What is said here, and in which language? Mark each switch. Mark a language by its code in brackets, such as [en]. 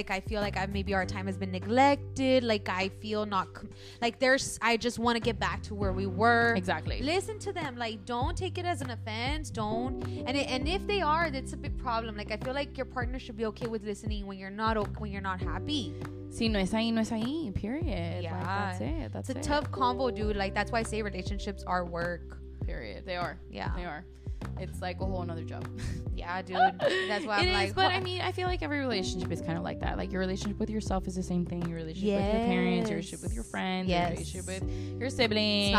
[en] Like, I feel like maybe our time has been neglected. Like, I feel not like there's, I just want to get back to where we were. Exactly. Listen to them. Like, don't take it as an offense. Don't. And if they are, that's a big problem. Like, I feel like your partner should be okay with listening when you're not okay, when you're not happy. [es] Si no es ahí, no es ahí, period. [en] Yeah. Like, that's it. That's it. It's a tough combo, dude. Like, that's why I say relationships are work. Period. They are. Yeah. They are. It's like a whole another job. Yeah, dude, that's why I'm is, like, but I mean, I feel like every relationship is kind of like that. Like your relationship with yourself is the same thing, your relationship yes. with your parents, your relationship with your friends, yes. your relationship with your siblings,